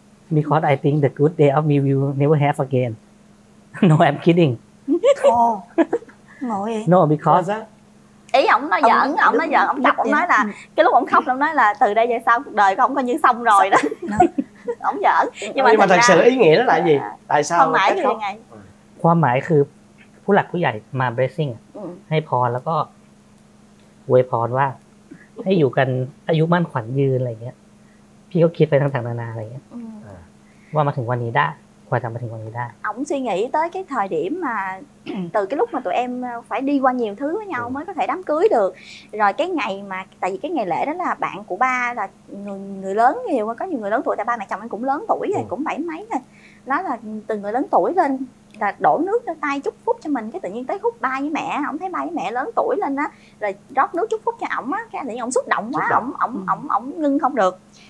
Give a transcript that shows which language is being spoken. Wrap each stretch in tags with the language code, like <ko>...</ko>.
<en>Because I think the good day of me will never have again. No, I'm kidding.</en> <vi>Oh, ngồi.</vi> <en>No, because...</en> <vi>ý ổng nói giỡn, ổng nói giỡn, ổng tập, ổng nói là cái lúc ổng khóc ổng nói là từ đây về sau cuộc đời của ổng coi như xong rồi đó. Ổng giỡn. Nhưng mà thật sự ý nghĩa đó là gì? Tại sao? Không phải như ngày.</vi> <th>ความหมายคือผู้หลักผู้ใหญ่มา blessing ให้พรแล้วก็อวยพรว่าให้อยู่กันอายุมั่นขวัญยืนอะไรเงี้ยพี่ก็คิดไปทั้งๆนานาอะไรเงี้ยว่ามาถึงวันนี้ได้กว่าจะมาถึงวันนี้ได้</th> <vi>ổng suy nghĩ tới cái thời điểm mà từ cái lúc mà tụi em phải đi qua nhiều thứ với nhau mới có thể đám cưới được. Rồi cái ngày mà tại vì cái ngày lễ đó là bạn của ba là người lớn nhiều, có nhiều người lớn tuổi, tại ba mẹ chồng em cũng lớn tuổi rồi, cũng bảy mấy rồi. Đó là từ người lớn tuổi lên là đổ nước cho tay chúc phúc cho mình, cái tự nhiên tới khúc ba với mẹ, ổng thấy ba với mẹ lớn tuổi lên á, rồi rót nước chúc phúc cho ổng á, cái tự nhiên ổng xúc động quá, ổng ngưng không được.</vi>